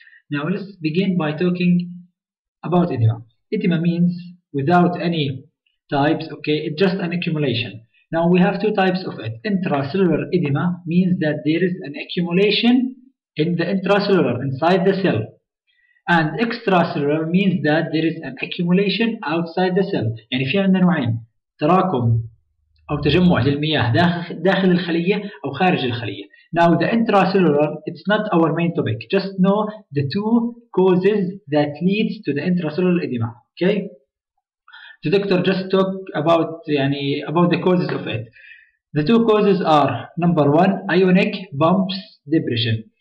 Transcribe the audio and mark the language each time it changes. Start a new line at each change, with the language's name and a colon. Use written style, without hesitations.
English: Now, let's begin by talking about edema. Edema means without any types, okay, it's just an accumulation. Now, we have two types of it. Intracellular edema means that there is an accumulation in the intracellular, inside the cell. And extracellular means that there is an accumulation outside the cell.
Arabic: يعني في عندنا نوعين تراكم أو تجمع للمياه داخل الخلية أو خارج الخلية.
English: Now the intracellular, it's not our main topic. Just know the two causes that leads to the intracellular edema. Okay? The doctor just talk about يعني about the causes of it. The two causes are number one, ionic bumps depression.